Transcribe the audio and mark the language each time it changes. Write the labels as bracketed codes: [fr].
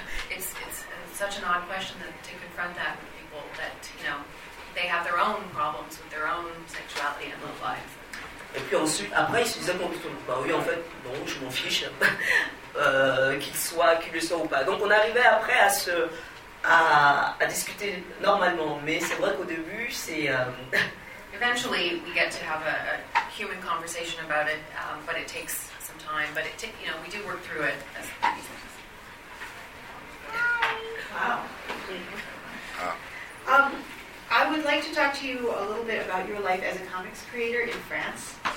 [en] It's such an odd question to confront that with people, that they have their own problems with their own sexuality and love life. [fr] Et puis ensuite, après, ils se disaient, je m'en fiche, qu'il le soit ou pas. Donc on arrivait après à discuter normalement, mais c'est vrai qu'au début, c'est... [en] Eventually, we get to have a human conversation about it, but it takes some time. But it, we do work through it. As wow. I would like to talk to you a little bit about your life as a comics creator in France.